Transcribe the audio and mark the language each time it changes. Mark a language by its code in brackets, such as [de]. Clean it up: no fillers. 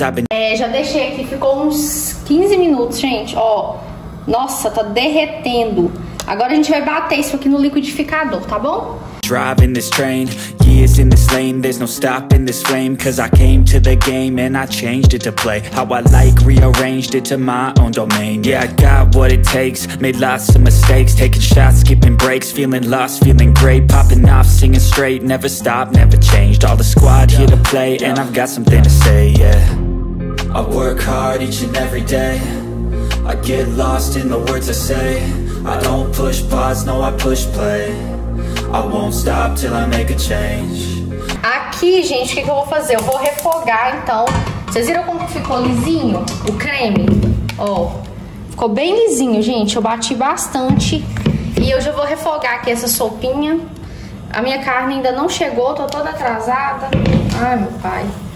[pt] É, já deixei aqui, ficou uns 15 minutos, gente, ó. Nossa, tá derretendo. Agora a gente vai bater isso aqui no liquidificador, tá bom? [en] Driving this train, years in this lane, there's no stopping this flame. Cause I came to the game and I changed it to play. How I like, rearranged it to my own domain. Yeah, I got what it takes, made lots of mistakes. Taking shots, skipping breaks, feeling lost, feeling great. Popping off, singing straight, never stopped, never changed. All the squad here to play and I've got something to say, yeah. I work hard each and every day. I get lost in the words I say. I don't push pause, no, I push play. I won't stop till I make a change. [pt] Aqui, gente, o que, que eu vou fazer? Eu vou refogar, então. Vocês viram como ficou lisinho o creme? Ó, ficou bem lisinho, gente. Eu bati bastante. E eu já vou refogar aqui essa sopinha. A minha carne ainda não chegou, tô toda atrasada. Ai, meu pai.